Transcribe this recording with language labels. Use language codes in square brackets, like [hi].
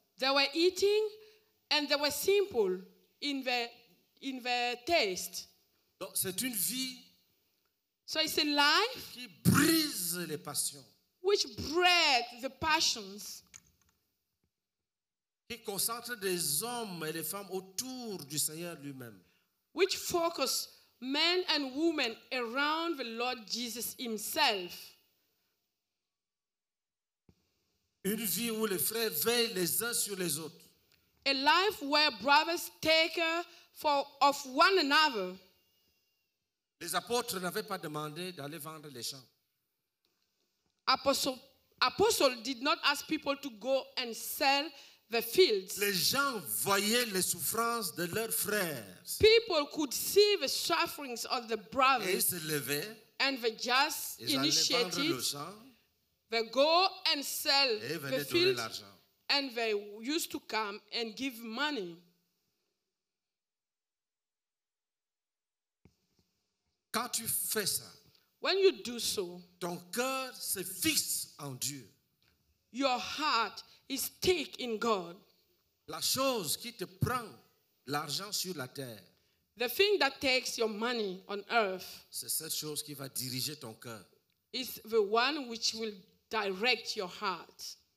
[en] They were eating. And they were simple in their taste. [fr] Donc, c'est une vie. [en] So it's a life [fr] qui brise les passions. [en] Which break the passions. [fr] Qui concentre des hommes et des femmes autour du Seigneur lui-même. [en] Which focus men and women around the Lord Jesus himself. [fr] Une vie où les frères veillent les uns sur les autres. [en] a life where brothers take for of one another. [fr] Les apôtres n'avaient pas demandé d'aller vendre les champs. [en] Apostle did not ask people to go and sell the fields. [fr] Les gens voyaient les souffrances de leurs frères. [en] People could see the sufferings of the brothers. [fr] Et ils se levaient. [en] And they just [fr] ils [en] initiated. [fr] Le champ, [en] they go and sell the fields. [fr] L'argent. [en] And they used to come and give money. [fr] Quand tu fais ça, [en] when you do so, [fr] ton cœur se fixe en Dieu. [en] Your heart is fixed in God. [fr] La chose qui te prend l'argent sur la terre, [en] the thing that takes your money on earth, [fr] c'est cette chose qui va diriger ton cœur. [en] Is the one which will direct your heart.